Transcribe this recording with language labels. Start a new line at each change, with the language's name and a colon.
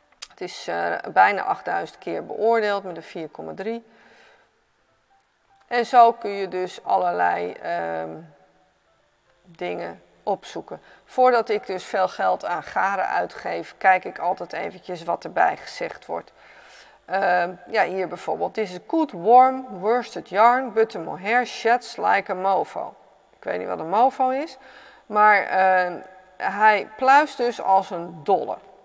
Dutch: Het is bijna 8000 keer beoordeeld met een 4,3. En zo kun je dus allerlei dingen opzoeken. Voordat ik dus veel geld aan garen uitgeef, kijk ik altijd eventjes wat erbij gezegd wordt. Ja, hier bijvoorbeeld.
English: This is good, warm, worsted yarn, but the mohair sheds like a mofo.
Dutch: Ik weet niet wat een mofo is, maar hij pluist dus als een dolle.